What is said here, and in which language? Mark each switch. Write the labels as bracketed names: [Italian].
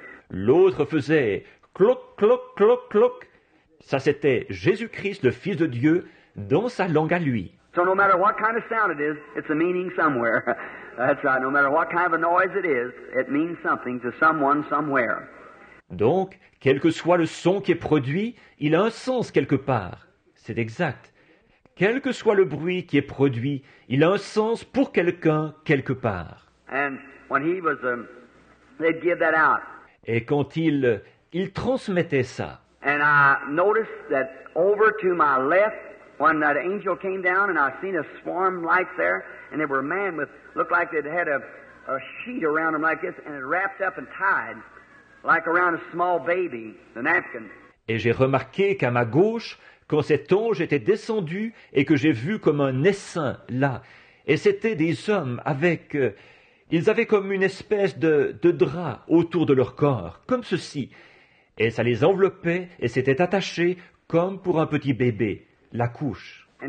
[French] L'autre faisait « cloc, cloc, cloc, cloc », ça c'était « Jésus-Christ, le Fils de Dieu » dans sa langue à lui. [English] So no matter what kind of sound it is, it's a meaning somewhere. That's right. No matter what kind of a noise it is, it means something to someone somewhere. [French] Donc, quel que soit le son qui est produit, il a un sens quelque part. C'est exact. Quel que soit le bruit qui est produit, il a un sens pour quelqu'un quelque part. [English] And when he was they'd give that out. [French] Et quand il transmettait ça. [English] And I noticed that over to my left, when that angel came down and I seen a swarm like there, and there were a man with, looked like they'd had a sheet around him like this, and it wrapped up and tied, like around a small baby, the napkin. [French] Et j'ai remarqué qu'à ma gauche, quand cet ange était descendu et que j'ai vu comme un essaim là, et c'était des hommes avec, ils avaient comme une espèce de drap autour de leur corps, comme ceci, et ça les enveloppait et c'était attaché comme pour un petit bébé. La couche.